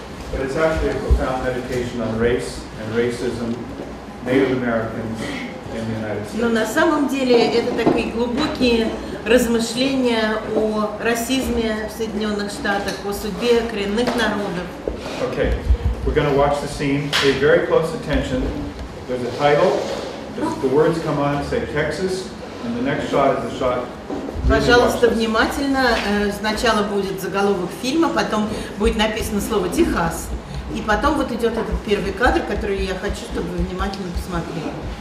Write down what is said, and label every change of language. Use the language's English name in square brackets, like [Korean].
[English] But it's actually a profound meditation on race and racism, Native Americans. [Russian] Но на самом деле это такие глубокие размышления о расизме в Соединенных Штатах, о судьбе коренных народов. [English] Okay, we're going to watch the scene. Pay very close attention. There's a title. The words come on, say Texas, and the next shot is the shot. [Russian] Пожалуйста, внимательно. Сначала будет заголовок фильма, потом будет написано слово Техас, и потом вот идет этот первый кадр, который я хочу, чтобы вы внимательно посмотрели.